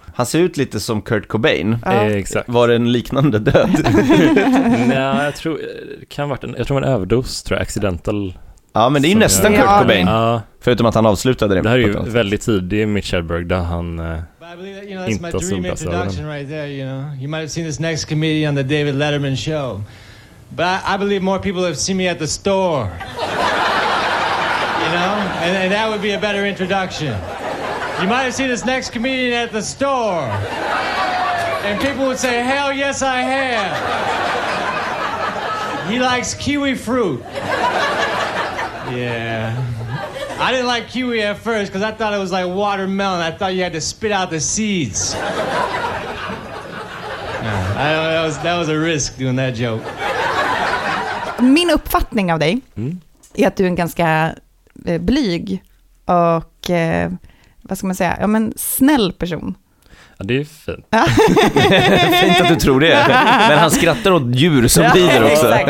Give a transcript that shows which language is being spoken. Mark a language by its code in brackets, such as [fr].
[sv] Han ser ut lite som Kurt Cobain. Ja. Exakt. Var det en liknande död? Nej, jag tror en överdos, tror jag, accidental. Ja, men det är ju nästan Kurt Cobain. Ja. Förutom att han avslutade det. Det här är ju väldigt tidigt i Mitch Hedberg där han inte har sunda sådana. [en] Right there, you know? You might have seen this next comedian on the David Letterman show. But I believe more people have seen me at the store. You know? And that would be a better introduction. You might have seen this next comedian at the store. And people would say, hell yes I have. He likes kiwi fruit. Yeah. I didn't like kiwi at first because I thought it was like watermelon. I thought you had to spit out the seeds. that was a risk doing that joke. [sv] Min uppfattning av dig är att du är en ganska blyg och vad ska man säga? Ja, men snäll person. Ja, det är fint. Fint att du tror det. Men han skrattar åt djur som lider också.